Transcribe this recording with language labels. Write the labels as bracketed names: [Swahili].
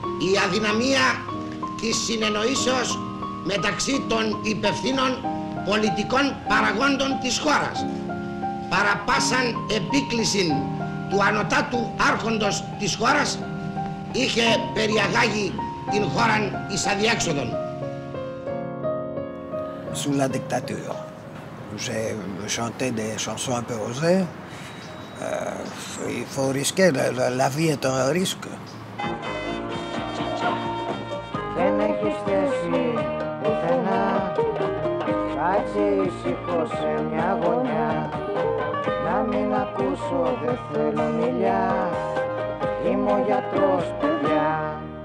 [Greek] Η αδυναμία της συνεννοήσεως μεταξύ των υπευθύνων πολιτικών παραγόντων της χώρας παρά πάσαν επίκληση του ανωτάτου άρχοντος της χώρας είχε περιαγάγει την χώρα εις αδιέξοδον. [French] Sous la dictature, j'ai chanté des chansons un peu osées. Il faut risquer, la vie est un risque. [Greek] Δεν έχεις θέση πουθενά, κάτσε ήσυχος σε μια γωνιά. Να μην ακούσω, δεν θέλω μιλιά, είμαι ο γιατρός, παιδιά.